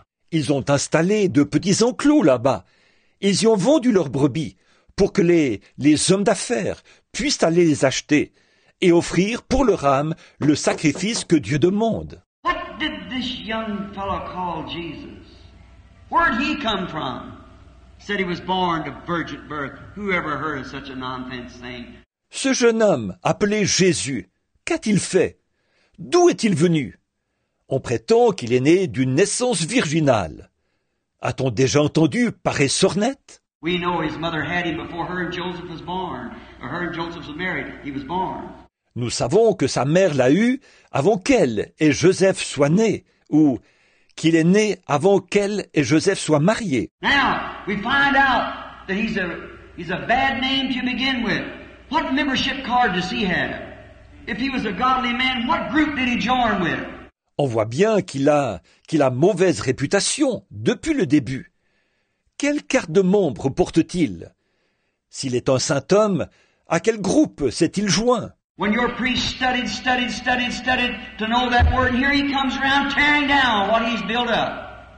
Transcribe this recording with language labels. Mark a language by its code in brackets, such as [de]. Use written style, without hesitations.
[fr] Ils ont installé de petits enclos là-bas. Ils y ont vendu leurs brebis pour que les hommes d'affaires puissent aller les acheter et offrir pour leur âme le sacrifice que Dieu demande. [en] What did this young fellow call Jesus? Where did he come from? Said he was born of virgin birth. Who ever heard of such a nonsense thing? [fr] Ce jeune homme appelé Jésus, qu'a-t-il fait? D'où est-il venu? On prétend qu'il est né d'une naissance virginale. A-t-on déjà entendu parler sornette? [en] We know his mother had him before her and Joseph was born, or her and Joseph was married. He was born. [fr] Nous savons que sa mère l'a eu avant qu'elle et Joseph soient nés, ou qu'il est né avant qu'elle et Joseph soient mariés. [en] Now, we find out that he's a bad name to begin with. What membership card does he have? If he was a godly man, what group did he join with? [fr] On voit bien qu'il a mauvaise réputation depuis le début. Quelle carte de membre porte-t-il? S'il est un saint homme, à quel groupe s'est-il joint? [en] When your priest studied to know that word, and here he comes around tearing down what he's built up.